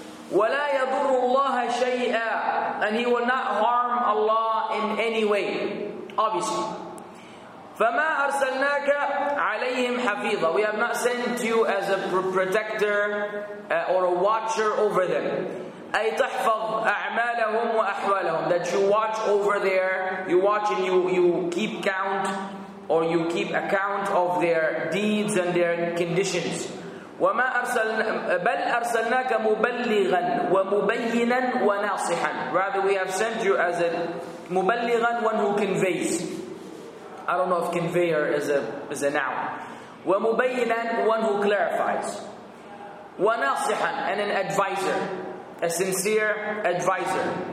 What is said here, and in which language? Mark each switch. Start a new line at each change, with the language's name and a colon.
Arabic: وَلَا يَضُرُّ اللَّهَ شَيْئًا.
English: And he will not harm Allah in any way. Obviously.
Arabic: فَمَا أَرْسَلْنَاكَ عَلَيْهِمْ حَفِيظًا.
English: We have not sent you as a protector or a watcher over them.
Arabic: أي تحفظ أعمالهم وأحوالهم.
English: That you watch over there, you watch and you keep count, or you keep account of their deeds and their conditions.
Arabic: وما أرسلنا بل أرسلناك مبلغا ومبينا وناصحا.
English: Rather, we have sent you as a مبلغا, one who conveys. I don't know if conveyor is a noun. ومبينا, one who clarifies. وناصحا, and an advisor, a sincere advisor.